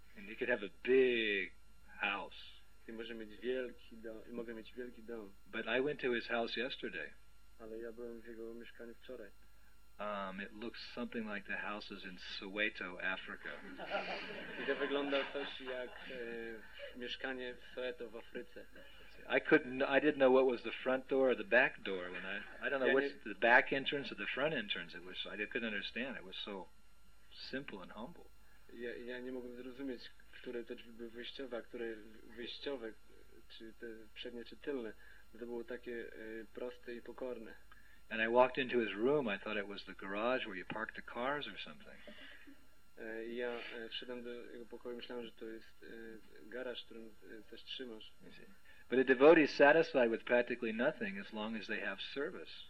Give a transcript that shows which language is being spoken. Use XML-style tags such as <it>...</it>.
<en>And he could have a big house.</en> <pl>I może mieć wielki dom. I mogę mieć wielki dom.</pl> <en>But I went to his house yesterday.</en> <pl>Ale ja byłem w jego mieszkaniu wczoraj.</pl> <en>It looks something like the houses in Soweto, Africa.</en> <pl>To wygląda coś jak mieszkanie w Soweto w Afryce.</pl> <en>I didn't know what was the front door or the back door when I don't know what's the back entrance or the front entrance. It was, I couldn't understand. It was so simple and humble.</en> <pl>Ja nie mogłem zrozumieć, które te drzwi były wyjściowe, a które wyjściowe, czy te przednie, czy tylne. To było takie proste i pokorne.</pl> <en>And I walked into his room. I thought it was the garage where you park the cars or something.</en> <pl>Ja wszedłem do jego pokoju, myślałem, że to jest garaż, w którym coś trzymasz.</pl> <en>But a devotee is satisfied with practically nothing as long as they have service.</en>